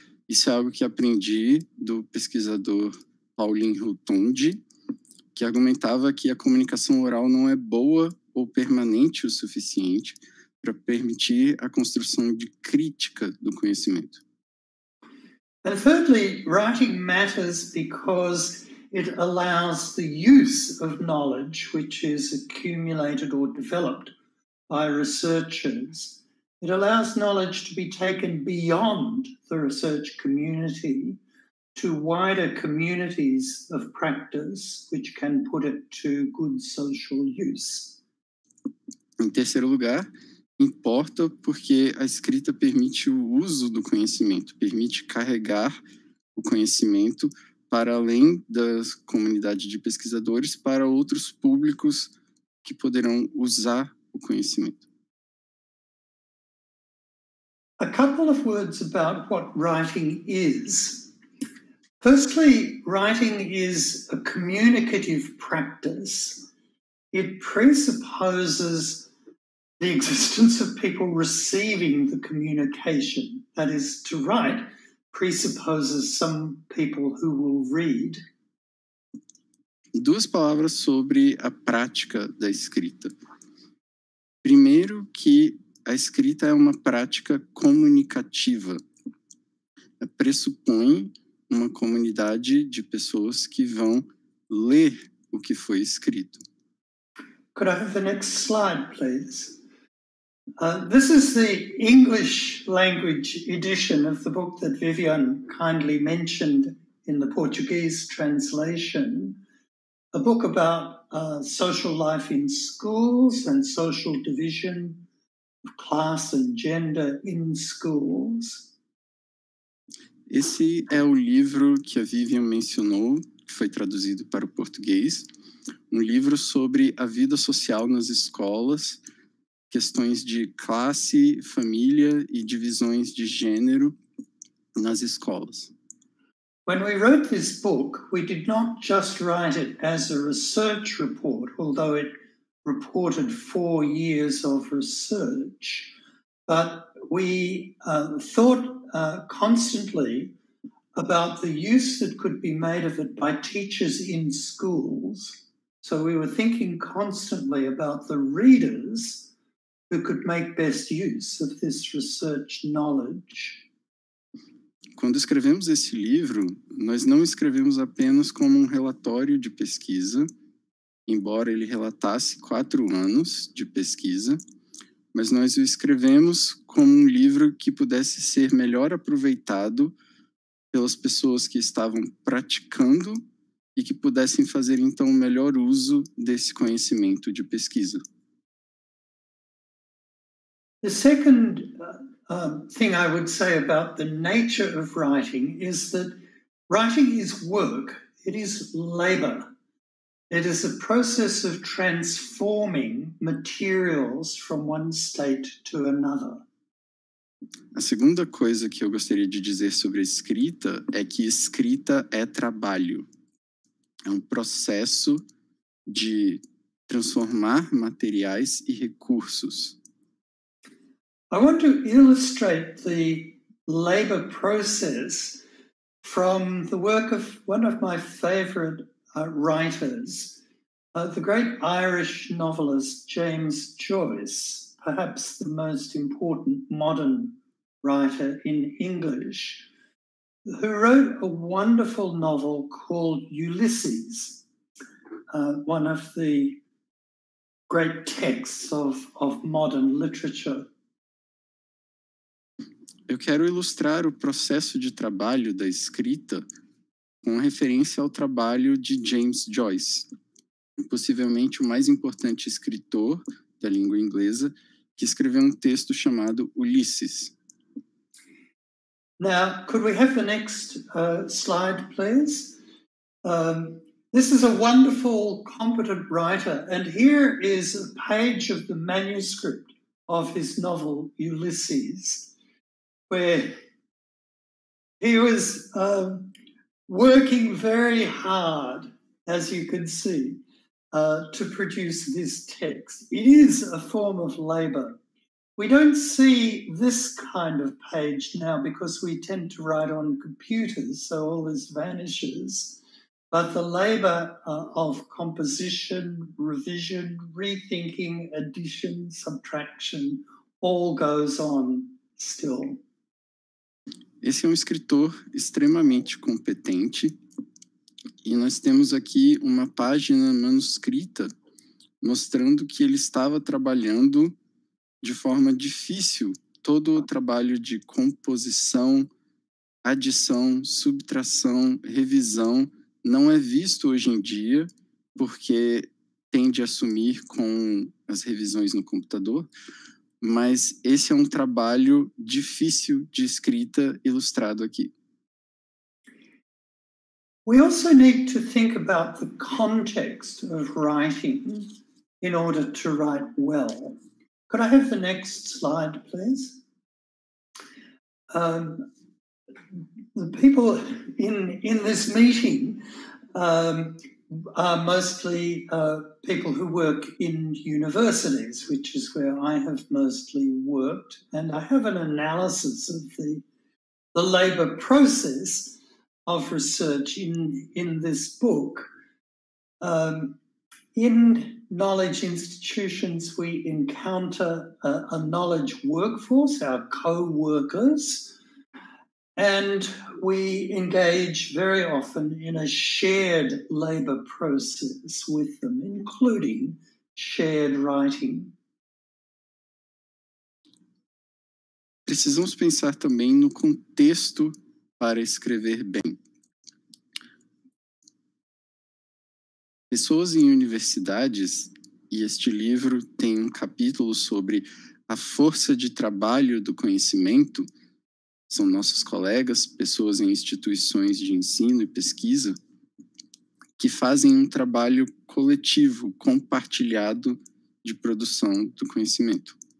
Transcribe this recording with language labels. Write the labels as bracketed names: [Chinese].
[Portuguese] Isso é algo que aprendi do pesquisador Pauline Ntonji, que argumentava que a comunicação oral não é boa ou permanente o suficiente para permitir a construção de crítica do conhecimento. [English] And thirdly, writing matters because it allows the use of knowledge which is accumulated or developed by researchers. It allows knowledge to be taken beyond the research community to wider communities of practice, which can put it to good social use. [Portuguese] Em terceiro lugar, importa porque a escrita permite o uso do conhecimento, permite carregar o conhecimento para além da comunidade de pesquisadores, para outros públicos que poderão usar o conhecimento. [English] A couple of words about what writing is. Firstly, writing is a communicative practice. It presupposes the existence of people receiving the communication. That is, to write presupposes some people who will read. [Portuguese] Duas palavras sobre a prática da escrita. Primeiro, que a escrita é uma prática comunicativa. Pressupõe uma comunidade de pessoas que vão ler o que foi escrito. [English] Could I have the next slide, please? This is the English language edition of the book that Vivian kindly mentioned in the Portuguese translation, a book about social life in schools and social division of class and gender in schools. [Portuguese] Esse é o livro que a Vivian mencionou, que foi traduzido para o português, um livro sobre a vida social nas escolas, questões de classe, família e divisões de gênero nas escolas. [English] When we wrote this book, we did not just write it as a research report, although it reported 4 years of research, but we thought constantly about the use that could be made of it by teachers in schools. So we were thinking constantly about the readers who could make best use of this research knowledge. [Portuguese] Quando escrevemos esse livro, nós não escrevemos apenas como um relatório de pesquisa, embora ele relatasse 4 anos de pesquisa, mas nós o escrevemos como um livro que pudesse ser melhor aproveitado pelas pessoas que estavam praticando e que pudessem fazer, então, o melhor uso desse conhecimento de pesquisa. [English] The second thing I would say about the nature of writing is that writing is work. It is labor. It is a process of transforming materials from one state to another. [Portuguese] A segunda coisa que eu gostaria de dizer sobre escrita é que escrita é trabalho. É um processo de transformar materiais e recursos. [English] I want to illustrate the labor process from the work of one of my favorite writers, the great Irish novelist James Joyce, perhaps the most important modern writer in English, who wrote a wonderful novel called Ulysses, one of the great texts of modern literature. [Portuguese] Eu quero ilustrar o processo de trabalho da escrita com referência ao trabalho de James Joyce, possivelmente o mais importante escritor da língua inglesa, que escreveu um texto chamado Ulysses. [English] Now, could we have the next slide, please? This is a wonderful, competent writer, and here is a page of the manuscript of his novel Ulysses, where he was working very hard, as you can see, to produce this text. It is a form of labor. We don't see this kind of page now because we tend to write on computers, so all this vanishes. But the labor of composition, revision, rethinking, addition, subtraction, all goes on still. [Portuguese] Esse é um escritor extremamente competente e nós temos aqui uma página manuscrita mostrando que ele estava trabalhando de forma difícil todo o trabalho de composição, adição, subtração, revisão. Não é visto hoje em dia porque tende a sumir com as revisões no computador. Mas esse é um trabalho difícil de escrita ilustrado aqui. [English] We also need to think about the context of writing in order to write well. Could I have the next slide, please? The people in this meeting are mostly people who work in universities, which is where I have mostly worked. And I have an analysis of the labor process of research in this book. In knowledge institutions, we encounter a knowledge workforce, our co-workers, and we engage very often in a shared labor process with them, including shared writing. [Portuguese] precisamos pensar também no contexto para escrever bem. Pessoas em universidades, e este livro tem um capítulo sobre a força de trabalho do conhecimento, são nossos colegas, pessoas em instituições de ensino e pesquisa, que fazem um trabalho coletivo, compartilhado de produção do conhecimento.